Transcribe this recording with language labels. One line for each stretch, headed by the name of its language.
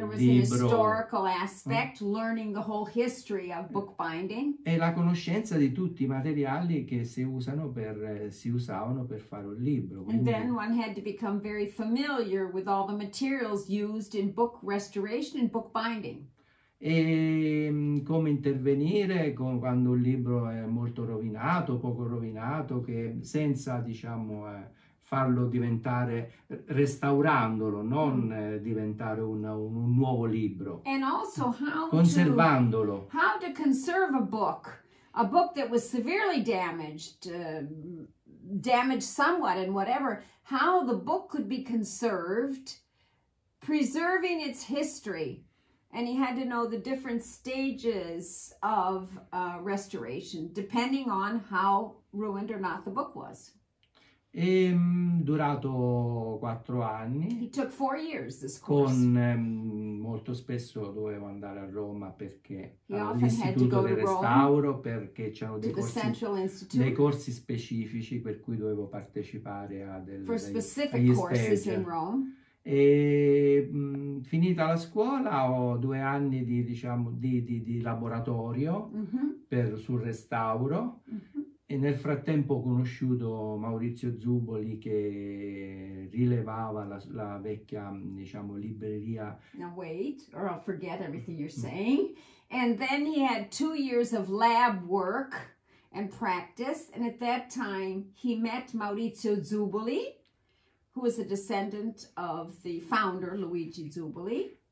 Italian: il libro,
English: historical aspect, learning the whole history of bookbinding,
Italian: e la conoscenza di tutti i materiali che si usavano per fare un libro.
English: Quindi, and then one had to become very familiar with all the materials used in book restoration and bookbinding.
Italian: E come intervenire quando un libro è molto rovinato, poco rovinato, che senza, diciamo, farlo diventare, restaurandolo, non diventare un nuovo libro.
English: And also how
Italian: conservandolo.
English: How to conserve a book that was severely damaged, damaged somewhat and whatever, how the book could be conserved, preserving its history. And he had to know the different stages of restoration, depending on how ruined or not the book was.
Italian: È durato 4 anni.
English: He took 4 years, this course.
Italian: Con molto spesso dovevo andare a Roma perché all'Istituto del Restauro, perché c'erano dei corsi specifici per cui dovevo partecipare a
English: specific courses in Rome.
Italian: E finita la scuola ho 2 anni di, diciamo, di laboratorio sul restauro. E nel frattempo ho conosciuto Maurizio Zubboli, che rilevava la vecchia, diciamo, libreria.
English: Now wait, or I'll forget everything you're saying. And then he had 2 years of lab work and practice. And at that time he met Maurizio Zubboli, who was a descendant of the founder, Luigi Zubboli.